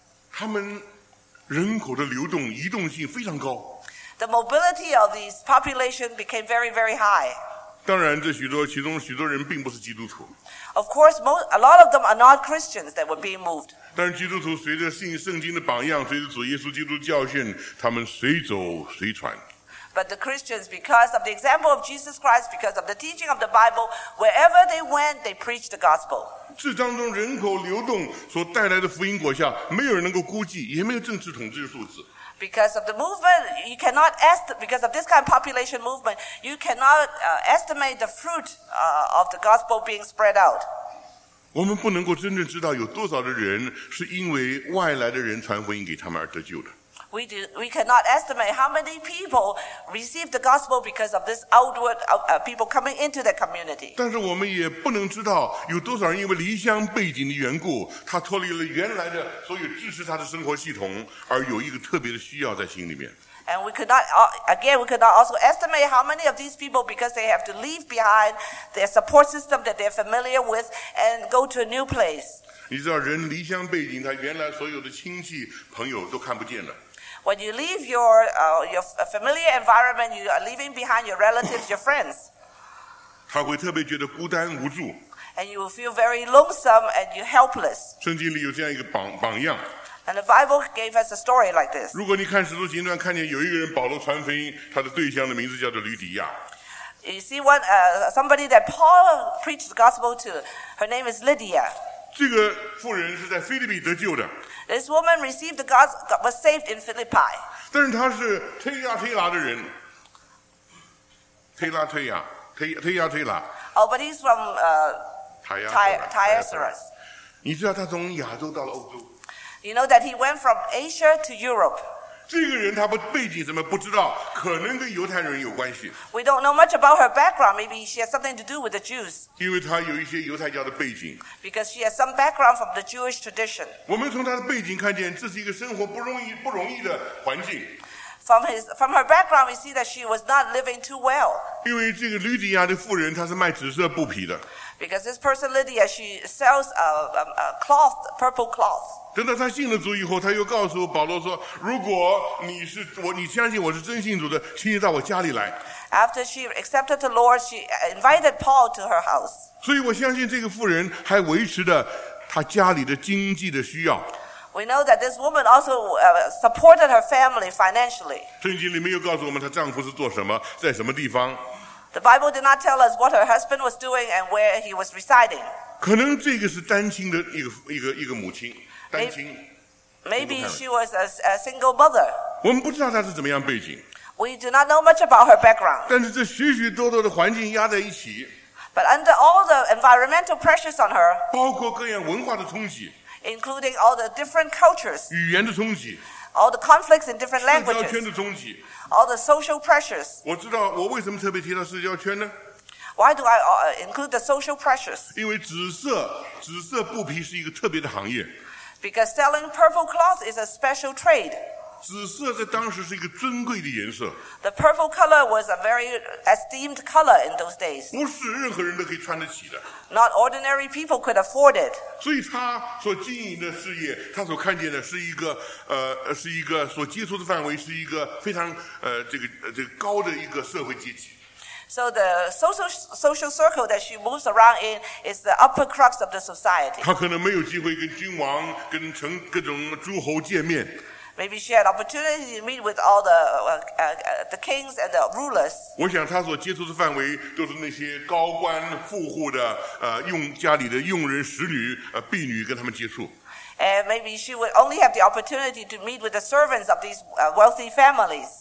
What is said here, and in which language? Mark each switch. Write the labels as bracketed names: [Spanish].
[Chinese] 他们人口的流动移动性非常高。 [English] The mobility of these population became very, very high. [Chinese] 当然这许多其中许多人并不是基督徒。 [English] Of course, a lot of them are not Christians that were being moved. [Chinese] 但基督徒随着信圣经的榜样，随着主耶稣基督的教训，他们随走随传。 [English] But the Christians, because of the example of Jesus Christ, because of the teaching of the Bible, wherever they went, they preached the gospel. [Chinese] 这当中人口流动所带来的福音果效，没有人能够估计，也没有政治统计的数字。 [English] Because of the movement, you cannot because of this kind of population movement, you cannot estimate the fruit of the gospel being spread out. [Chinese] 我们不能够真正知道有多少的人是因为外来的人传福音给他们而得救的。 [English] We cannot estimate how many people receive the gospel because of this outward people coming into the community. [Chinese] 但是我们也不能知道有多少人因为离乡背景的缘故，他脱离了原来的所有支持他的生活系统，而有一个特别的需要在心里面。 [English] And we could not, again, we could not also estimate how many of these people, because they have to leave behind their support system that they're familiar with and go to a new place. [Chinese] 你知道人离乡背景，他原来所有的亲戚朋友都看不见了。 [English] When you leave your familiar environment, you are leaving behind your relatives, your friends. [Chinese] 他会特别觉得孤单无助。 [English] And you will feel very lonesome and you're helpless. [Chinese] 圣经里有这样一个榜样。 [English] And the Bible gave us a story like this. [Chinese] 如果你看使徒行传，看见有一个人保罗传福音，他的对象的名字叫做吕底亚。 [English] You see one somebody that Paul preached the gospel to. Her name is Lydia. [Chinese] 这个妇人是在腓立比得救的。 [English] This woman received the gospel, was saved in Philippi. [Chinese] 但是她是推拉推拉的人，推拉推拉，推拉推拉。 [English] Oh, but he's from Tyrus. [Chinese] 你知道他从亚洲到了欧洲。 [English] You know that he went from Asia to Europe. [Chinese] 这个人他不背景什么不知道，可能跟犹太人有关系。 [English] We don't know much about her background. Maybe she has something to do with the Jews. [Chinese] 因为她有一些犹太教的背景。 [English] Because she has some background from the Jewish tradition. [Chinese] 我们从她的背景看见，这是一个生活不容易的环境。 [English] From her background, we see that she was not living too well. [Chinese] 因为这个吕底亚的妇人，她是卖紫色布匹的。 [English] Because this person Lydia, she sells a cloth, purple cloth. [Chinese] 等到她信了主以后，她又告诉保罗说：“如果你相信我是真信主的，请你到我家里来。” [English] After she accepted the Lord, she invited Paul to her house. [Chinese] 所以我相信这个妇人还维持着她家里的经济的需要。 [English] We know that this woman also supported her family financially. [Chinese] 圣经里没有告诉我们她丈夫是做什么，在什么地方。 [English] The Bible did not tell us what her husband was doing and where he was residing. [Chinese] 可能这个是单亲的一个母亲，单亲。 [English] Maybe she was a single mother. [Chinese] 我们不知道她是怎么样背景。 [English] We do not know much about her background. [Chinese] 但是这许许多多的环境压在一起。 [English] But under all the environmental pressures on her. [Chinese] 包括各样文化的冲击。 [English] Including all the different cultures, [Chinese] 语言的冲击, [English] all the conflicts in different languages, [Chinese] 社交圈的冲击, [English] all the social pressures. [Chinese] 我知道我为什么特别提到社交圈呢? [English] Why do I include the social pressures? [Chinese] 因为紫色布匹是一个特别的行业。 [English] Because selling purple cloth is a special trade. [Chinese] 紫色在当时是一个尊贵的颜色。 [English] The purple color was a very esteemed color in those days. [Chinese] 不是任何人都可以穿得起的。 [English] Not ordinary people could afford it. [Chinese] 所以他所经营的事业，他所看见的是一个是一个所接触的范围是一个非常这个高的一个社会阶级。 [English] So the social circle that she moves around in is the upper crux of the society. [Chinese] 他可能没有机会跟君王、跟城各种诸侯见面。 [English] Maybe she had opportunity to meet with all the kings and the rulers. [Chinese] 我想她所接触的范围都是那些高官富户的用家里的佣人、使女、婢女跟他们接触。 [English] And maybe she would only have the opportunity to meet with the servants of these wealthy families.